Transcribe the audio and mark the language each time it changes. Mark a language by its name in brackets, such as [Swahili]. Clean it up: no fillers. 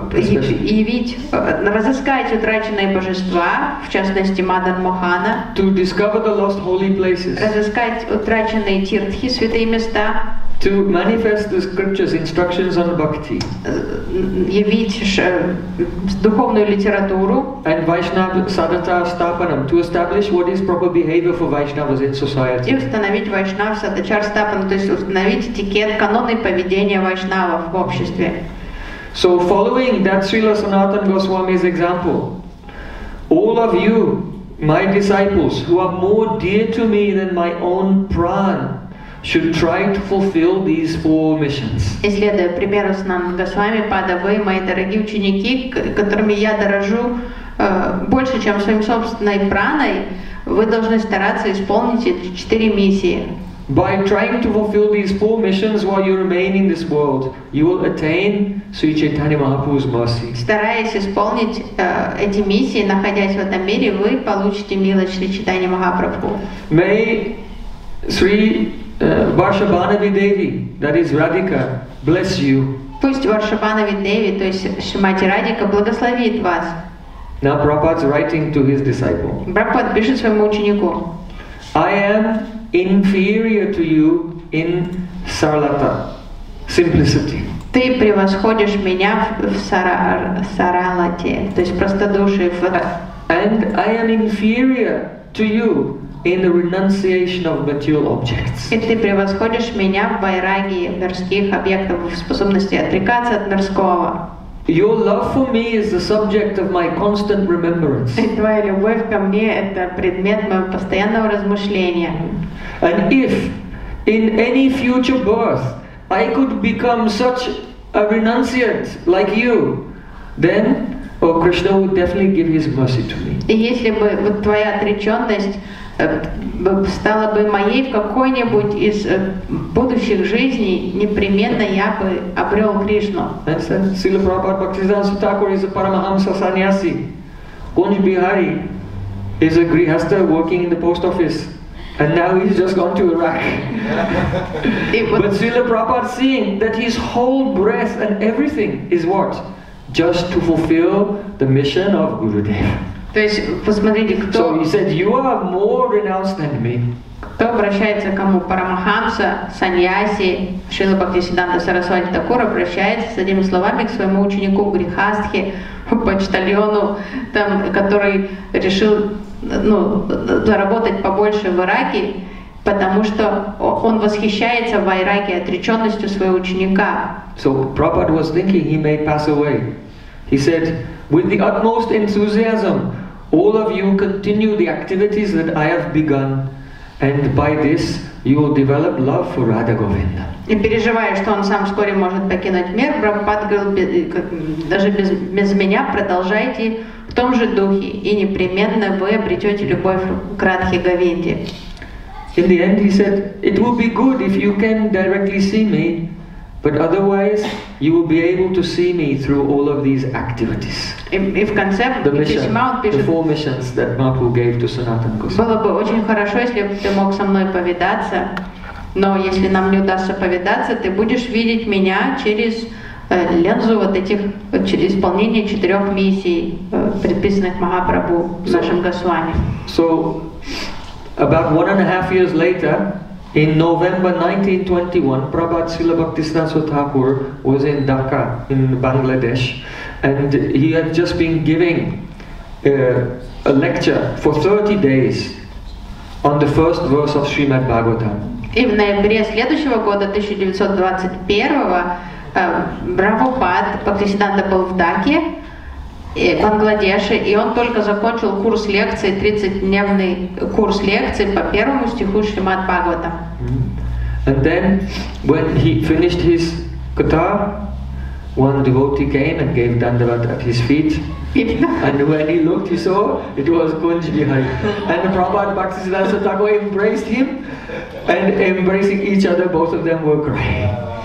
[Russian] Явить, разыскать утраченные божества, в частности Мадан Мохана. [English] To discover the lost holy places. [Russian] Разыскать утраченные тиртхи, святые места. [English] To manifest the scriptures, instructions on bhakti. [Russian] Явить духовную литературу. [English] And Vaishnava sadhata sthapanam, to establish what is proper behavior for Vaishnavas in society. [Russian] И установить Vaishnava sadhachar sthapanam, то есть установить этикет, каноны поведения Vaishnavas в обществе. [English] So following that Srila Sanatana Goswami's example, all of you, my disciples, who are more dear to me than my own prana, should try to fulfill these 4 missions. [Russian] Исследуя примеру Сананда Госвами Пада, вы, мои дорогие ученики, которыми я дорожу больше, чем своим собственной праной, вы должны стараться исполнить эти 4 миссии. [English] By trying to fulfill these 4 missions while you remain in this world, you will attain Sri Chaitanya Mahaprabhu's mercy. [Russian] Стараясь исполнить эти миссии, находясь в этом мире, вы получите милость Шри Чайтанья Махапрабху. [English] May Sri Varshabhanavi Devi, that is Radhika, bless you. [Russian] Пусть Варшабанави Деви, то есть Шимати Радика, благословит вас. [English] Now Prabhupada is writing to his disciple. [Russian] Prabhupada пишет своему ученику. [English] I am inferior to you in sarlata, simplicity. [Russian] Ты превосходишь меня в саралате, то есть простодушие. [English] And I am inferior to you in the renunciation of material objects. [Russian] И ты превосходишь меня в вайрагии мирских объектов, в способности отрекаться от мирского. [English] Your love for me is the subject of my constant remembrance. [Russian] И твоя любовь ко мне — это предмет моего постоянного размышления. [English] And if in any future birth I could become such a renunciant like you, then Krishna would definitely give his mercy to me. [Russian] И если бы вот твоя отреченность стала бы моей в какой-нибудь из будущих жизней, непременно я бы обрел Кришну. [English] Сила Прабхупада Бхактисиддханта Тхакур is a Paramahamsa Sannyasi. Kunj Bihari is a grihastha working in the post office. And now he's just gone to Iraq. But Сила Прабхупада seeing that his whole breath and everything is what? Just to fulfill the mission of Gurudev. [Russian] То есть, посмотрите, кто... [English] So he said, you are more renounced than me. [Russian] Кто обращается к кому? Парамахамса, Саньяси, Шрила Бхактисиддханта Сарасвати Такур обращается с этими словами к своему ученику Грихастхе, почтальону, там, который решил заработать побольше в Ираке, потому что он восхищается в Ираке отреченностью своего ученика. [English] So Prabhupada was thinking he may pass away. He said, with the utmost enthusiasm, all of you continue the activities that I have begun, and by this you will develop love for Radha Govinda. [Russian] И переживая, что он сам вскоре может покинуть мир, Прабхупада говорил, даже без меня продолжайте в том же духе, и непременно вы обретете любовь к Радхе Говинде. [English] In the end, he said, it will be good if you can directly see me, But otherwise, you will be able to see me through all of these activities. [Russian] И в конце письма он пишет. [English] The four missions that Mahaprabhu gave to Sanatan Goswami. [Russian] Было бы очень хорошо, если бы ты мог со мной повидаться. Но если нам не удастся повидаться, ты будешь видеть меня через линзу вот этих, через исполнение четырех миссий, предписанных Махапрабху нашим Госвами. [English] So, about 1.5 years later, in November 1921, Prabhupada Srila Bhaktisiddhanta Thakur was in Dhaka, in Bangladesh, and he had just been giving a lecture for 30 days on the first verse of Srimad Bhagavatam. [Russian] И в ноябре следующего года, 1921-го, Прабхупад Бхактисиддханта был в Даке, Бангладеше, и он только закончил курс лекции, 30-дневный курс лекции по первому стиху Шримад Бхагавата. [English] And then, when he finished his katha, one devotee came and gave dandavat at his feet. And when he looked, he saw it was Kunj Bihari. And Prabhupada Bhaktisiddhanta Thakur embraced him, and embracing each other, both of them were crying.